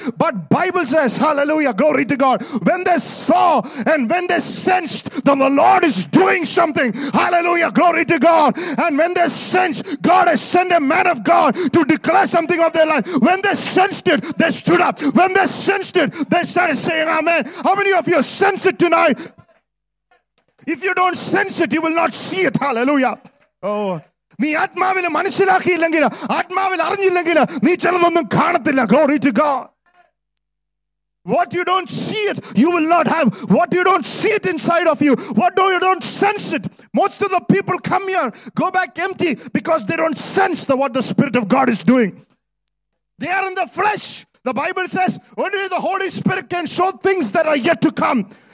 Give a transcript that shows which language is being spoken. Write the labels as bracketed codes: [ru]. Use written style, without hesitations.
[en] But Bible says, hallelujah, glory to God, when they saw and when they sensed that the Lord is doing something, hallelujah, glory to God, and when they sensed God has sent a man of God to declare something of their life, when they sensed sensed it, they stood up. When they sensed it, they started saying amen. How many of you sense it tonight? If you don't sense it, you will not see it. Hallelujah. [ml] Oh, നീ ആത്മാവിനെ മനസ്സിലാക്കിയില്ലെങ്കിൽ, ആത്മാവിൽ അറിഞ്ഞില്ലെങ്കിൽ നീ ചിലതൊന്നും കാണത്തില്ല. [en] Glory to God. What you don't see it, you will not have. What you don't see it inside of you, what do you don't sense it? Most of the people come here, go back empty because they don't sense the what the Spirit of God is doing. They are in the flesh. The Bible says only the Holy Spirit can show things that are yet to come.